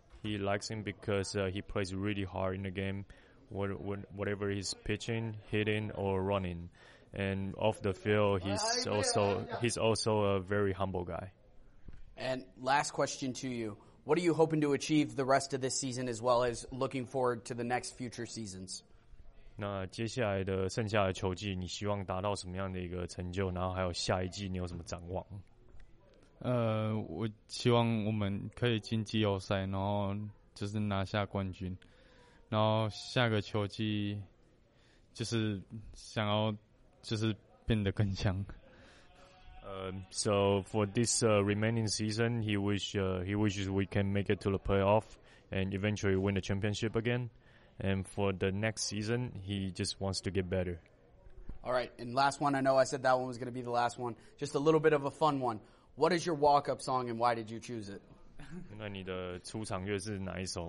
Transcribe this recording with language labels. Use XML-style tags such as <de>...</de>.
<en>He likes him because he plays really hard in the game, whatever he's pitching, hitting, or running. And off the field, he's also a very humble guy. And last question to you. What are you hoping to achieve the rest of this season as well as looking forward to the next future seasons?</en> <zh>那接下来的剩下的球季，你希望达到什么样的一个成就？然后还有下一季，你有什么展望？我希望我们可以进季后赛，然后就是拿下冠军，然后下个球季就是想要就是变得更强。</zh> <en>So for this remaining season, he wishes we can make it to the playoff and eventually win the championship again. And for the next season, he just wants to get better. All right, and last one. I know I said that one was going to be the last one. Just a little bit of a fun one. What is your walk-up song and why did you choose it?</en> <zh>那你的出场乐是哪一首？</zh>